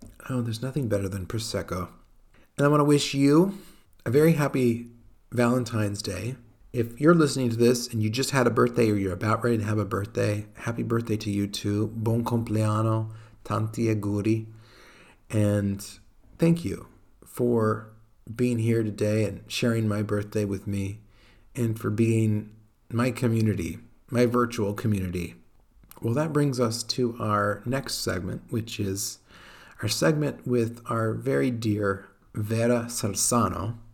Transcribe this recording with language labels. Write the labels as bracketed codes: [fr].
[en] Oh, there's nothing better than Prosecco. And I want to wish you a very happy Valentine's Day. If you're listening to this and you just had a birthday or you're about ready to have a birthday, happy birthday to you too. [it] Buon compleanno, tanti auguri. [en] And thank you for being here today and sharing my birthday with me and for being my community, my virtual community. Well, that brings us to our next segment, which is our segment with our very dear Vera Salzano.